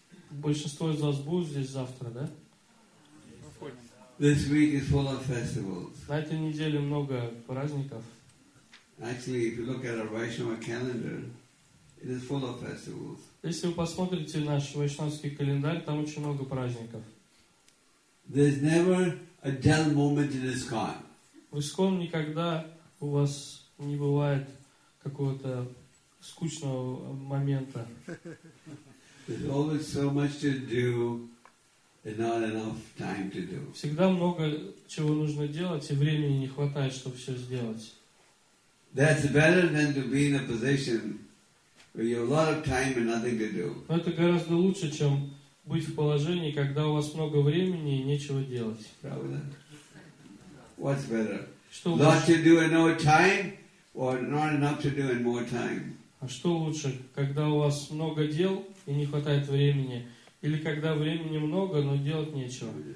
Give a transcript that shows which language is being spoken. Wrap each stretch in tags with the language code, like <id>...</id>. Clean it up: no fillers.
<ru>Большинство из вас будут здесь завтра, да?</ru> <en>This week is full of festivals.</en> <ru>На этой неделе много праздников.</ru> <en>Actually, if you look at our Vaishnava calendar, it is full of festivals.</en> <ru>Если вы посмотрите наш вайшнавский календарь, там очень много праздников.</ru> <en>There's never a dull moment in ISKCON.</en> <ru>В ИСККОН никогда у вас не бывает какого-то скучного момента.</ru> <en>There's always so much to do and not enough time to do.</en> <ru>Всегда много чего нужно делать, и времени не хватает, чтобы все сделать.</ru> <en>That's better than to be in a position where you have a lot of time and nothing to do.</en> <ru>Но это гораздо лучше, чем быть в положении, когда у вас много времени и нечего делать. Правда?</ru> <en>What's better?</en> <ru>Что</ru> <en>lots to do and no time, or not enough to do and more time?</en> <ru>А что лучше, когда у вас много дел и не хватает времени, или когда времени много, но делать нечего?</ru>